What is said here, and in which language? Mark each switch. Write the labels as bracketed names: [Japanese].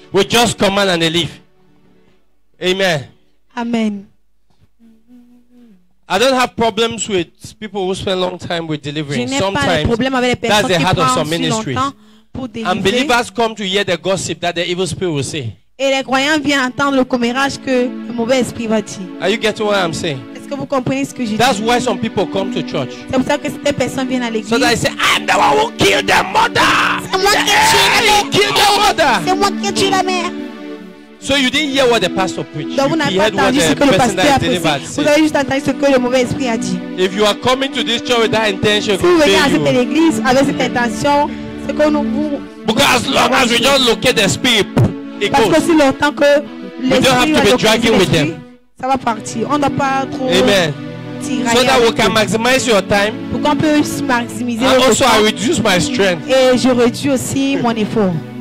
[English] We just command and they leave. Amen. Amen. I don't have problems with people who spend a long time with delivering. Sometimes that's the heart of some ministries. And believers come to hear the gossip that the evil spirit will say. [French] Et les croyants viennent entendre le commérage que le mauvais esprit va dire. [English] Are you getting what I'm saying? [French] Est-ce que vous comprenez ce que je dis? [English] That's why some people come to church. [French] C'est pour ça que certaines personnes viennent à l'église. [English] So that they say, I'm the one who killed the mother. [French] C'est moi qui ai tué la mère. [English] So you didn't hear what the pastor preached. [French] Donc, [English] you heard what the person that delivered said. [French] Vous avez juste entendu ce que le mauvais esprit a dit. [English] If you are coming to this church with that intention, [French] si vous venez à cette église avec cette intention, c'est que nous vous. [English] Because as long as we just locate the spirit, it goes. [French] Parce que si longtemps que [English] we don't have to be dragging with them. [French] Ça va partir. On n'a pas trop. [English] Amen. So that we can maximize your time. [French] Pour qu'on puisse maximiser. [English] And also, I reduce my strength. [French] Et je réduis aussi mon effort.